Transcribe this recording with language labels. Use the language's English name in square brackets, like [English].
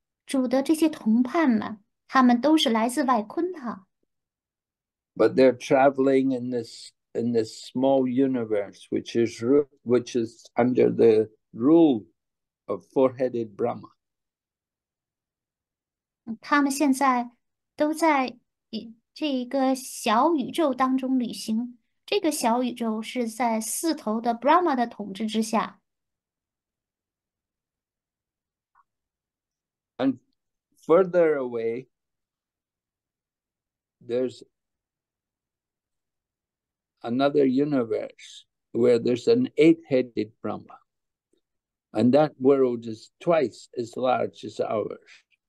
[Chinese] 主的这些同伴们，他们都是来自外昆塔。 [English] But they're traveling in this small universe, which is under the rule of four-headed Brahma. [Chinese] 他们现在都在这一个小宇宙当中旅行，这个小宇宙是在四头的 Brahma 的统治之下。 [English] And further away, there's another universe where there's an eight-headed Brahma. And that world is twice as large as ours.